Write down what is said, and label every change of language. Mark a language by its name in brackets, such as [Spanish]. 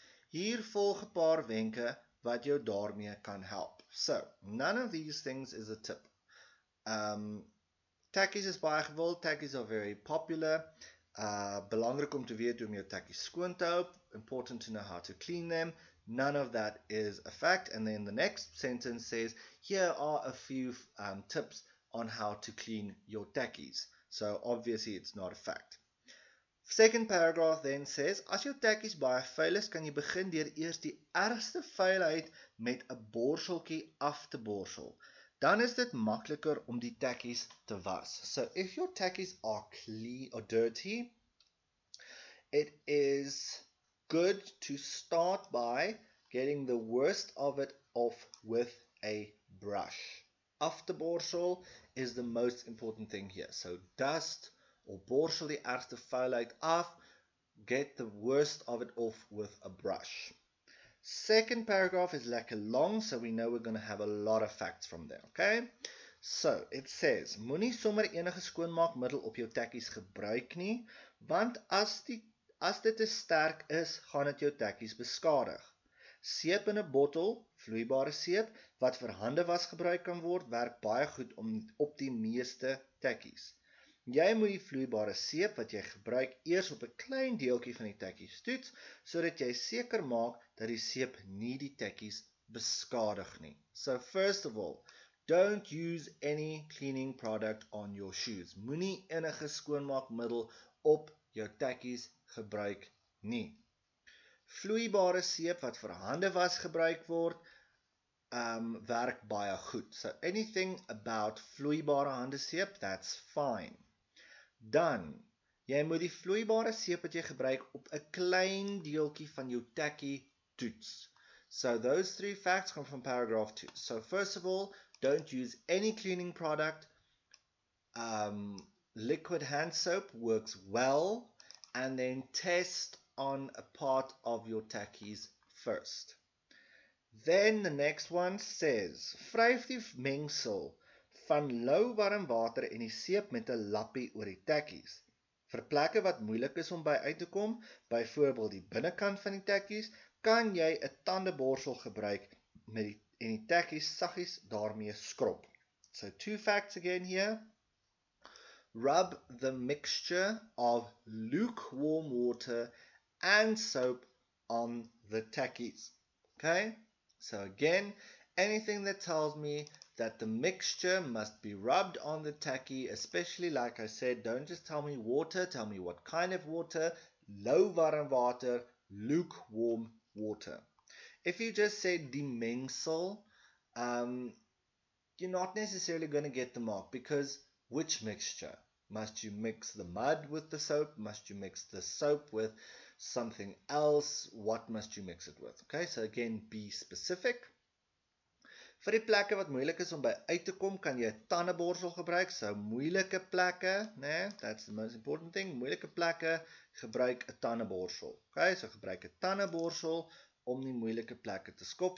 [Afrikaans] Hier volg 'n paar wenke wat jou daarmee kan help. [English] So, none of these things is a tip. [Afrikaans] Tekkies is baie gewild, [English] tekkies are very popular. [Afrikaans] Belangrik om te weet hoe om jou tekkies skoon te hou. [English] Important to know how to clean them. None of that is a fact. And then the next sentence says, here are a few tips on how to clean your tekkies. So obviously it's not a fact. Second paragraph then says, [Afrikaans] as jou tekkies baie vuil is, kan jy begin deur eers die ergste vuilheid met 'n borseltjie af te borsel. Dan is dit makliker om die tekkies te was. [English] So if your tekkies are clean or dirty, it is good to start by getting the worst of it off with a brush. After borsel is the most important thing here. So dust or [Afrikaans] borsel die ergste vuilheid af. [English] Get the worst of it off with a brush. Second paragraph is lekker long, so we know we're going to have a lot of facts from there, okay? So, it says, [Afrikaans] moenie sommer enige skoonmaakmiddel op jou tekkies gebruik nie, want as dit te sterk is, gaan dit jou tekkies beskadig. Seep in 'n bottel, vloeibare seep, wat vir hande was gebruik kan word, werk baie goed om op die meeste tekkies. Jy moet die vloeibare seep wat jy gebruik eers op 'n klein deeltjie van die tekkies toets, sodat jy seker maak dat die seep nie die tekkies beskadig nie. [English] So first of all, don't use any cleaning product on your shoes. [Afrikaans] Moenie enige skoonmaakmiddel op jou tekkies gebruik nie. Vloeibare seep wat vir hande was gebruik word, werk baie goed. [English] So anything about [Afrikaans] vloeibare hande seep, [English] that's fine. [Afrikaans] Dan, jy moet die vloeibare seep wat jy gebruik op 'n klein deeltjie van jou tekkie toets. [English] So those 3 facts come from paragraph 2. So first of all, don't use any cleaning product. Liquid hand soap works well. And then test on a part of your tekkies first. Then the next one says, [Afrikaans] wryf die mengsel van lou warm water en die seep met 'n lappie oor die tekkies. Vir plekke wat moeilik is om by uit te kom, byvoorbeeld die binnekant van die tekkies, kan jy 'n tandeborsel gebruik met die, en die tekkies saggies daarmee skrob. [English] So 2 facts again here. Rub the mixture of lukewarm water and soap on the tekkies. Okay? So again, anything that tells me that the mixture must be rubbed on the tekkie, especially like I said, don't just tell me water, tell me what kind of water. Low warm water, lukewarm water. If you just say [Afrikaans] die mengsel, [English] you're not necessarily going to get the mark, because which mixture? Must you mix the mud with the soap? Must you mix the soap with something else? What must you mix it with? Okay, so again, be specific. [Afrikaans] Vir die plekke wat moeilik is om by uit te kom, kan jy 'n tandeborsel gebruik. [English] So [Afrikaans] moeilike plekke, nee, [English] that's the most important thing. [Afrikaans] Moeilike plekke, gebruik 'n tandeborsel. Okay, so gebruik 'n tandeborsel om die moeilike plekke te skop.